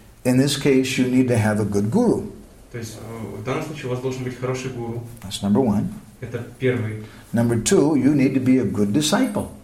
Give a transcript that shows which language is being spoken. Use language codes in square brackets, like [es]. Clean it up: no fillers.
[en] In this case, you need to have a good guru. [ru] То есть в данном случае у вас должен быть хороший гуру. [en] That's number one. [ru] Это первый. [en] Number two, you need to be a good disciple.